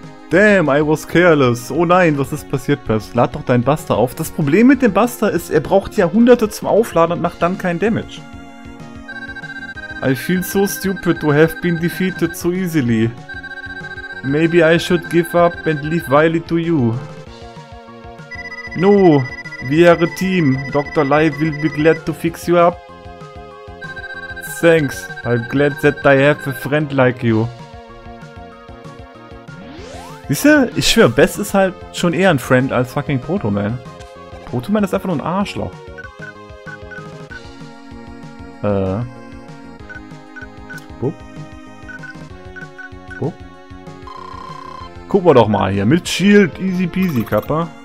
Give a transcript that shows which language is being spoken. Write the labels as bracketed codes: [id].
[en] Damn, I was careless. [de] Oh nein, was ist passiert, Pest? Lad doch deinen Buster auf. Das Problem mit dem Buster ist, er braucht Jahrhunderte zum Aufladen und macht dann keinen Damage. [en] I feel so stupid to have been defeated so easily. Maybe I should give up and leave Wily to you. No, we are a team. Dr. Lai will be glad to fix you up. Thanks, I'm glad that I have a friend like you. [de] Siehst du, ich schwöre, Bess ist halt schon eher ein Friend als fucking Protoman. Protoman ist einfach nur ein Arschloch. Bup. Bup. Gucken wir doch mal hier. Mit Shield, easy peasy, Kappa.